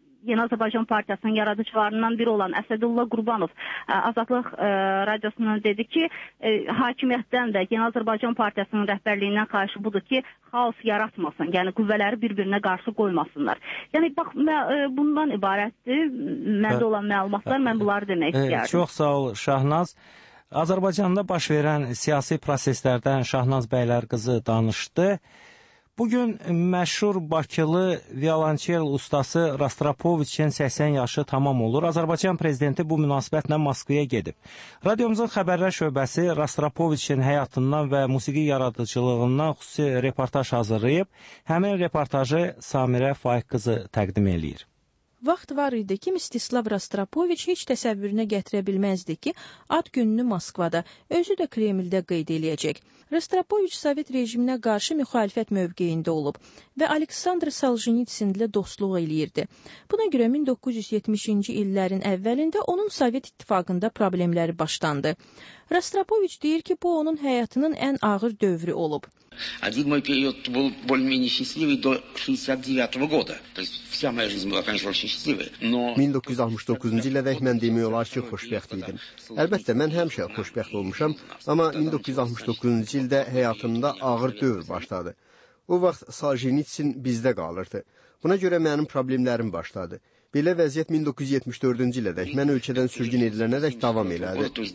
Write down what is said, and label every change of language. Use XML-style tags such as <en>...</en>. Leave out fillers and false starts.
<az>Yeni Azərbaycan Partiyasının yaradıcılarından biri olan Əsədullah Qurbanov Azadlıq Radiosuna dedi ki, hakimiyyətdən də Yeni Azərbaycan Partiyasının rəhbərliyindən xahişi budur ki, xaos yaratmasın, yəni qüvvələri bir-birinə qarşı qoymasınlar. Yəni, bax, bundan ibarətdir məndə olan məlumatlar, mən bunları demək istəyərdim. Çox sağ ol, Şahnaz. Azərbaycanda baş verən siyasi proseslərdən Şahnaz bəylər qızı danışdı. Bugün məşhur Bakılı violonçel ustası Rastropoviçin 80 yaşı tamam olur. Azərbaycan prezidenti bu münasibətlə Moskvaya gedib. Radiomuzun xəbərlər şöbəsi Rastropoviçin həyatından və musiqi yaradıcılığından xüsusi reportaj hazırlayıb. Həmin reportajı Samirə Faiq qızı təqdim eləyir. Vaxt var idi ki, Mstislav Rastropoviç heç təsəvvürünə gətirə bilməzdi ki, ad gününü Moskvada, özü də Kremldə qeyd eləyəcək. Rastropoviç Sovet rejiminə qarşı müxalifət mövqeyində olub və Aleksandr Solzhenitsin ilə dostluq eləyirdi. Buna görə 1970-ci illərin əvvəlində onun Sovet İttifaqında problemləri başlandı. Rastropoviç deyir ki, bu onun həyatının ən ağır dövrü olub.</az> <ru>Один мой период был более-менее счастливый до 69-го года. То есть вся моя жизнь была, конечно, очень счастливая. Но</ru> <az>1969-cu ildə mən demək olar ki, xoşbəxt idim. Əlbəttə mən həmişə xoşbəxt olmuşam, amma 1969-cu ildə həyatımda ağır dövr başladı. O vaxt Solzhenitsin bizdə qalırdı. Buna görə mənim problemlərim başladı. Belə vəziyyət 1974-cü ilə dək, mən ölkədən sürgün edilənə dək davam elədi.</az>